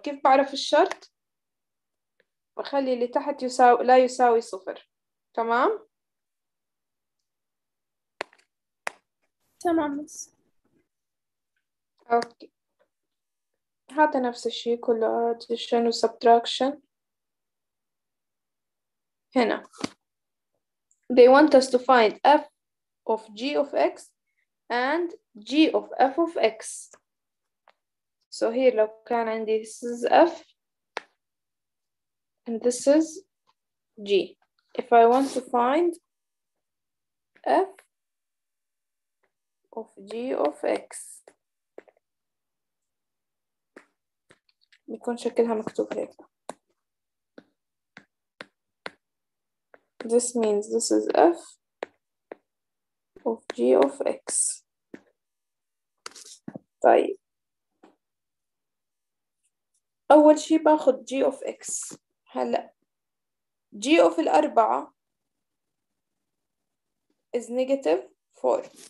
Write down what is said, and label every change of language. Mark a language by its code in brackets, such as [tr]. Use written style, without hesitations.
[ar] كيف بعرف الشرط؟ بخلي اللي تحت يساوي لا يساوي صفر، تمام؟ تمام. أوكي. هذا نفس الشيء كله addition و subtraction. [en] هنا they want us to find f of g of x and g of f of x. So here [ar] لو كان عندي [en] this is f and this is g. If I want to find f of g of x [ar] بيكون شكلها مكتوب هيك. [en] This means this is f of g of x. [ar] طيب أول شي باخد g of x. [en] هلا g of [ar] الأربعة [en] is negative 4.